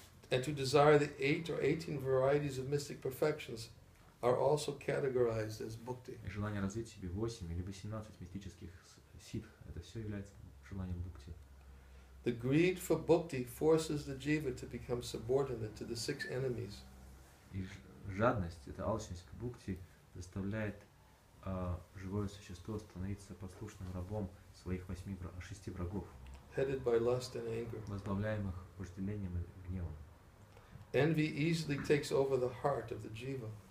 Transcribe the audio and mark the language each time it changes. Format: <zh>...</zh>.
<en>and to desire the 8 or 18 varieties of mystic perfections are also categorized as bhakti.</en> <ru>И желание развить себе 8 или 18 мистических сидх, это все является желанием бхакти.</ru> <en>The greed for bhakti forces the jiva to become subordinate to the 6 enemies.</en> <ru>И жадность, это алчность к бхакти, заставляет живое существо становиться послушным рабом своих 6 врагов.</ru> <en>Headed by lust and anger.</en> <ru>Возглавляемых вожделением и гневом.</ru> <en>Envy easily takes over the heart of the jiva.</en>